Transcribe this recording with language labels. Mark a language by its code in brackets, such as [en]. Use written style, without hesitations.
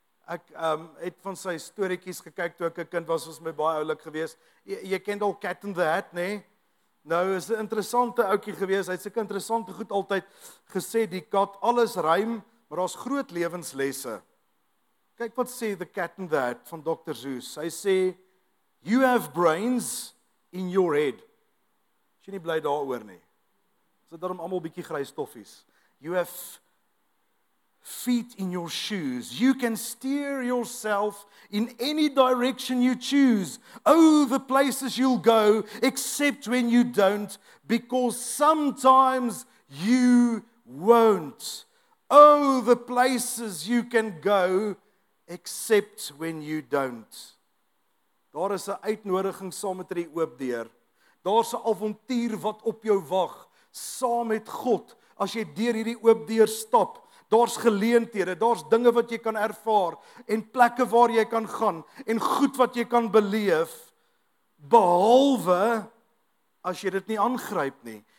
[af] Ek het van sy storieetjies gekyk toe ek 'n kind was, was my baie oulik geweest. Jy ken al Cat in the Hat, nê? Nee? Nou is 'n interessante ouetjie geweest. Hy het sulke interessante goed altyd gesê, die kat, alles rym, maar daar's groot lewenslesse. Kyk wat sê the Cat in the Hat van Dr. Zeus. Hy sê, [en] you have brains in your head. [af] Is jy nie bly daaroor nie? Is dit daarom almal bietjie grys stoffies? [en] You have feet in your shoes. You can steer yourself in any direction you choose. Oh, the places you'll go, except when you don't, because sometimes you won't. Oh, the places you can go, except when you don't. [af] Daar is 'n uitnodiging saam met die oopdeur. Daar's 'n avontuur wat op jou wag, saam met God, as jy deur hierdie oopdeur stap. Daar's geleenthede, daar's dinge wat jy kan ervaar, en plekke waar jy kan gaan, en goed wat jy kan beleef, behalwe as jy dit nie aangryp nie.